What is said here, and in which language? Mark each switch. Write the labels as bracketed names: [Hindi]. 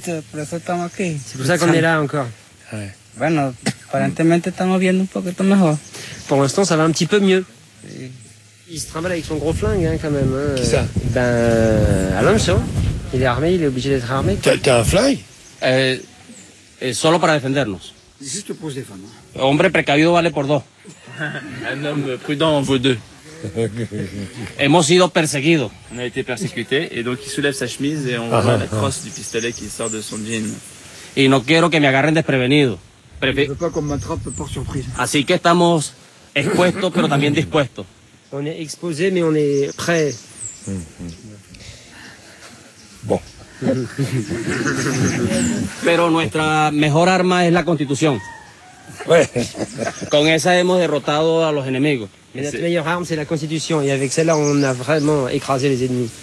[French] C'est pour ça qu'on est là encore. Ouais. [Spanish] Bueno. Apparemment, estamos viendo un poquito mejor. [French] Pour l'instant, ça va un petit peu mieux. Il se trimballe avec son gros flingue, hein, quand même. Qui ça? Ben, Alonso. Il est armé, il est obligé d'être armé. T'as un flingue? [Spanish] Solo para defendernos. [French] Juste pour se défendre. [Spanish] Hombre precavido vale por dos. [French] Un homme prudent en vaut deux. [Spanish] Hemos sido perseguidos. [French] On a été persécutés, et donc il soulève sa chemise et on voit la crosse du pistolet qui sort de son jean. [Spanish] Y no quiero que me agarren desprevenido. [French] Je veux pas qu'on m'attrape par surprise. [Spanish] Así que estamos expuestos, pero también dispuestos. [French] On est exposé, mais on est prêt. Bon. [Spanish] Pero nuestra mejor arma es la constitución. [French] Ouais. [Spanish] Con esa hemos derrotado a los enemigos. [French] Notre meilleure arme, c'est la constitution. Et avec celle-là, on a vraiment écrasé les ennemis.